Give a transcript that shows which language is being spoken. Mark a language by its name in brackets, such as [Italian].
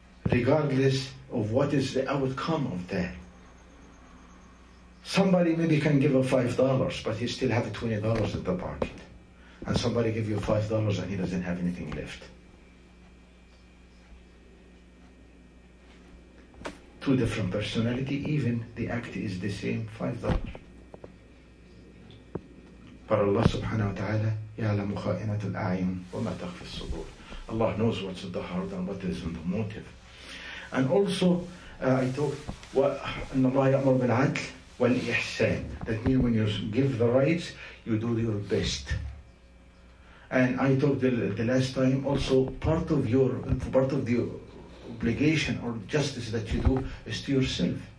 [English] Regardless of what is the outcome of that. Somebody maybe can give a $5, but he still have $20 in the pocket. and somebody give you $5 and he doesn't have anything left. Two different personality, even the act is the same, $5. But [Arabic] Allah subhanahu wa ta'ala, يَعْلَمُ خَائِنَةُ الْأَعْيُنِ وَمَا تَخْفِ الصُّدُورِ. [English] Allah knows what's in the heart and what is in the motive. And also, I talked, [Arabic] اللَّهُ يَأْمُرُ بِالْعَدْلِ وَالْإِحْسَانِ. [English] That means when you give the rights, you do your best. And I talked the last time, also part of the obligation or justice that you do is to yourself.